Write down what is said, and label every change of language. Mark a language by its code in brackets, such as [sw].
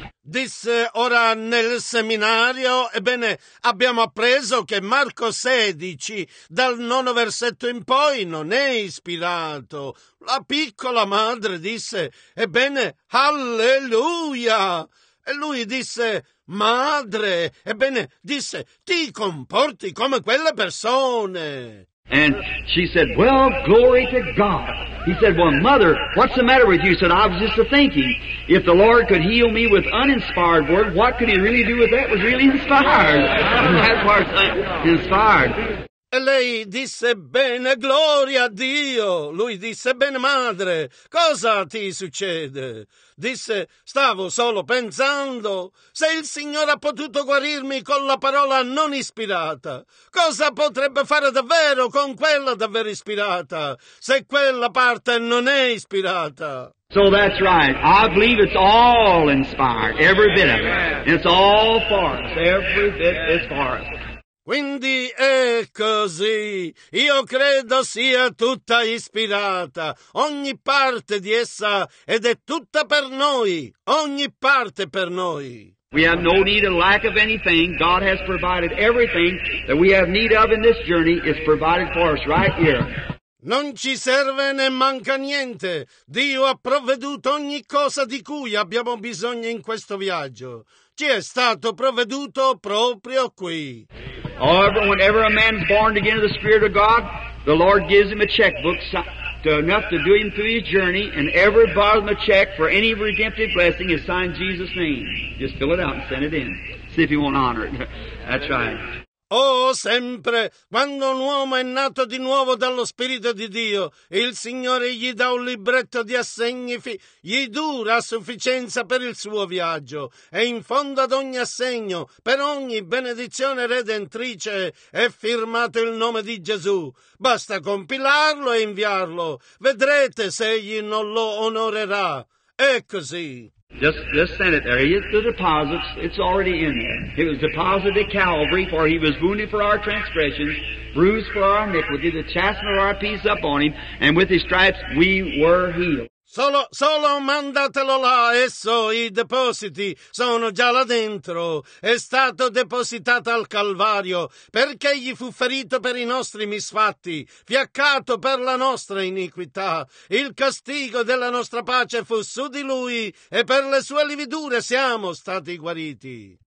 [it] Disse, ora nel seminario, ebbene, abbiamo appreso che Marco 16, dal 9° versetto in poi, non è ispirato. La piccola madre disse, ebbene, hallelujah. E lui disse, madre, ebbene, disse, ti comporti come quelle persone. [en] And she said, well, glory to God. He said, well, mother, what's the matter with you? He said, I was just thinking, if the Lord could heal me with uninspired word, what could he really do with that was really inspired? And that part's inspired. [it] E lei disse, bene, gloria a Dio. Lui disse, bene, madre, cosa ti succede? Disse, stavo solo pensando, se il Signore ha potuto guarirmi con la parola non ispirata, cosa potrebbe fare davvero con quella davvero ispirata, se quella parte non è ispirata? [en] So that's right. I believe it's all inspired, every bit of it. It's all for us, every bit is for us. [it] Quindi è così, io credo sia tutta ispirata, ogni parte di essa, ed è tutta per noi, ogni parte per noi. [en] We have no need and lack of anything. God has provided everything that we have need of in this journey is provided for us right here. [it] Non ci serve né manca niente. Dio ha provveduto ogni cosa di cui abbiamo bisogno in questo viaggio. Ci è stato provveduto proprio qui. [en] Whenever a man is born again of the Spirit of God, the Lord gives him a checkbook enough to do him through his journey, and every bottom of check for any redemptive blessing is signed Jesus' name. Just fill it out and send it in. See if he won't honor it. That's right. [it] Oh, sempre, quando un uomo è nato di nuovo dallo Spirito di Dio, il Signore gli dà un libretto di assegni, gli dura a sufficienza per il suo viaggio, e in fondo ad ogni assegno, per ogni benedizione redentrice, è firmato il nome di Gesù. Basta compilarlo e inviarlo, vedrete se egli non lo onorerà. È così. [en] Just send it there. The deposits, it's already in there. It was deposited at Calvary, for he was wounded for our transgressions, bruised for our iniquity, the chastisement of our peace upon him, and with his stripes we were healed. [it] Solo mandatelo là, esso, i depositi sono già là dentro. È stato depositato al Calvario perché gli fu ferito per i nostri misfatti, fiaccato per la nostra iniquità. Il castigo della nostra pace fu su di lui e per le sue lividure siamo stati guariti.